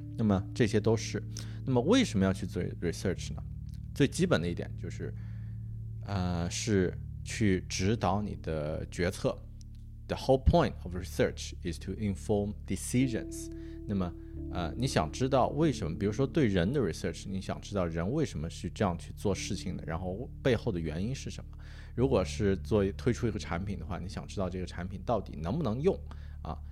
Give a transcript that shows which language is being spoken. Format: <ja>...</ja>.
<zh>那么这些都是，那么为什么要去做 research 呢？最基本的一点就是是去指导你的决策。</zh> <en>The whole point of research is to inform decisions，</en> <zh>那么你想知道为什么，比如说对人的 research， 你想知道人为什么是这样去做事情的，然后背后的原因是什么。如果是做推出一个产品的话，你想知道这个产品到底能不能用啊。</zh>